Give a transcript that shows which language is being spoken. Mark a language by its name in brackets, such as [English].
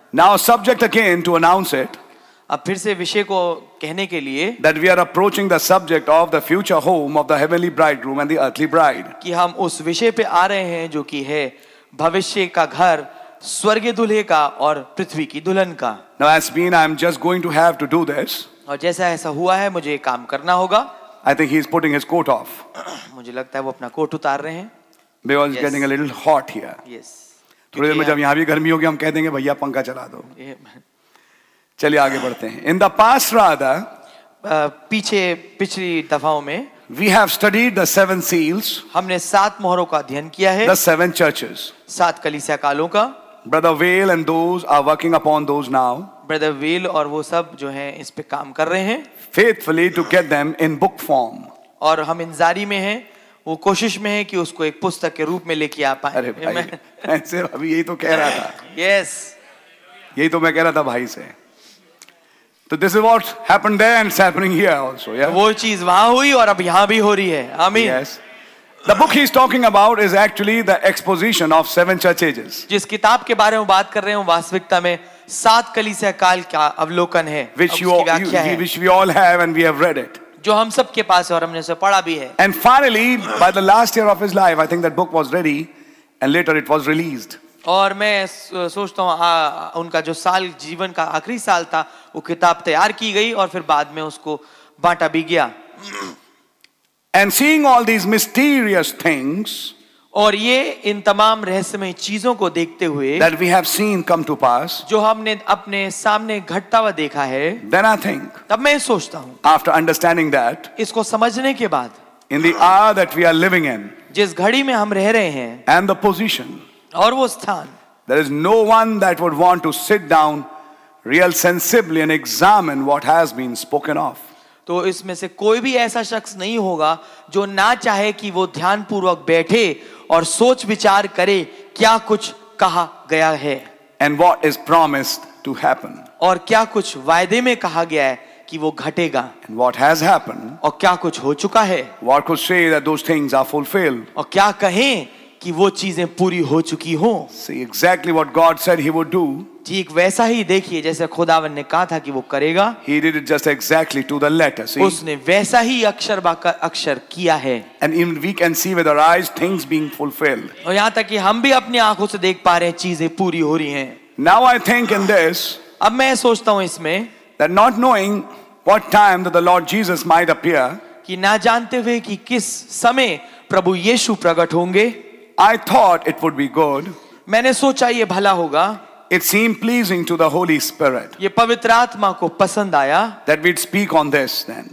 [English] now subject again to announce it, [Hindi] अब फिर से विषय को कहने के लिए, [English] that we are approaching the subject of the future home of the heavenly bridegroom and the earthly bride, [Hindi] कि हम उस विषय पे आ रहे हैं जो कि है भविष्य का घर, स्वर्गीय दूल्हे का और पृथ्वी की दुल्हन का. [English] Now as been I am just going to have to do this. [Hindi] और जैसा ऐसा हुआ है मुझे काम करना होगा. [English] I think he is putting his coat off. [Hindi] मुझे लगता है वो अपना कोट उतार रहे हैं. [English] Because it's getting a little hot here. Yes. [Hindi] थोड़ी देर में जब यहाँ भी गर्मी होगी हम कह देंगे भैया पंखा चला दो. चलिए आगे बढ़ते हैं. [English] In the past rather, [Hindi] पीछे पिछली दफाओं में, [English] we have studied the seven seals, [Hindi] हमने सात मोहरों का अध्ययन किया है, [English] the seven churches, [Hindi] सात कलीसिया कालों का. [English] Brother Vail and those are working upon those now. [Hindi] Brother Vail और वो सब जो हैं इस पे काम कर रहे हैं. [English] Faithfully to get them in book form. [Hindi] और हम इंतजारी में हैं, वो कोशिश में हैं कि उसको एक पुस्तक के रूप में लेके आ पाए. अरे भाई, मैं सिर्फ अभी यही तो कह रहा था. [English] Yes. [Hindi] यही तो मैं कह रहा था भाई से. [English] So this is what happened there and it's happening here also. Yeah. [Hindi] वो चीज वहाँ हुई और अब यहाँ भी हो रही है. [English] Amen. Yes. The book he's talking about is actually the exposition of seven church ages. [Hindi] जिस किताब के बारे में बात कर रहे हैं वास्तविकता में सात कलीसिया काल का अवलोकन है, [English] which we all have and we have read it. [Hindi] जो हम सब के पास है और हमने उसे पढ़ा भी है. [English] And finally, by the last year of his life, I think that book was ready, and later it was released. [Hindi] और मैं सोचता हूँ उनका जो साल जीवन का आखिरी साल था, वो किताब तैयार की गई और फिर बाद में उसको बांटा भी गया. [English] And seeing all these mysterious things, [Hindi] और ये इन तमाम रहस्यमय चीजों को देखते हुए, [English] that we have seen come to pass, [Hindi] जो हमने अपने सामने घटता हुआ देखा है, [English] then I think, [Hindi] तब मैं सोचता हूँ, [English] after understanding that, [Hindi] इसको समझने के बाद, [English] in the hour that we are living in, [Hindi] जिस घड़ी में हम रह रहे हैं, [English] and the position, [Hindi] और वो स्थान, [English] there is no one that would want to sit down real sensibly and examine what has been spoken of. [Hindi] तो इसमें से कोई भी ऐसा शख्स नहीं होगा जो ना चाहे कि वो ध्यानपूर्वक बैठे और सोच विचार करे क्या कुछ कहा गया है. [English] And what is promised to happen. [Hindi] और क्या कुछ वायदे में कहा गया है कि वो घटेगा. [English] And what has happened. [Hindi] और क्या कुछ हो चुका है. [English] What could say that those things are fulfilled. [Hindi] और क्या कहें कि वो चीजें पूरी हो चुकी हों. [English] See exactly what God said he would do. [Hindi] ठीक वैसा ही देखिए जैसे खुदावन ने कहा था कि वो करेगा. [English] He did it just exactly to the letter. See? [Hindi] उसने वैसा ही अक्षर अक्षर किया है. [English] And even we can see with our eyes things being fulfilled. [Hindi] और यहाँ तक कि हम भी अपनी आंखों से देख पा रहे हैं चीजें पूरी हो रही हैं. [English] Now I think in this. [Hindi] अब मैं सोचता हूँ इसमें. [English] That not knowing what time that the Lord Jesus might appear. [Hindi] कि ना जानते हुए कि किस समय प्रभु यीशु प्रकट होंगे. [English] I thought it would be good. [Hindi] मैंने सोचा ये भला होगा. [English] It seemed pleasing to the Holy Spirit. [Hindi] ये पवित्र आत्मा को पसंद आया. [English] That we'd speak on this then.